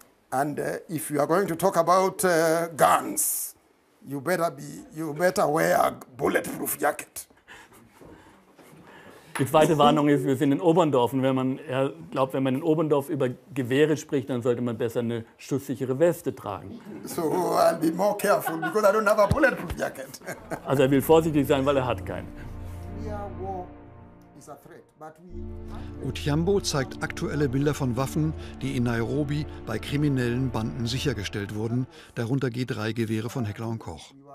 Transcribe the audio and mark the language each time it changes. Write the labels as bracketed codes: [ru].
[en] And if you are going to talk about guns, you better wear a bulletproof jacket. [de] Die zweite Warnung ist, wir sind in Oberndorf. Und wenn man glaubt, wenn man in Oberndorf über Gewehre spricht, dann sollte man besser eine schusssichere Weste tragen. [en] So, I'll be more careful, because I don't have a bulletproof jacket. [de] Also er will vorsichtig sein, weil er hat keinen. Utiambo zeigt aktuelle Bilder von Waffen, die in Nairobi bei kriminellen Banden sichergestellt wurden, darunter G3-Gewehre von Heckler & Koch.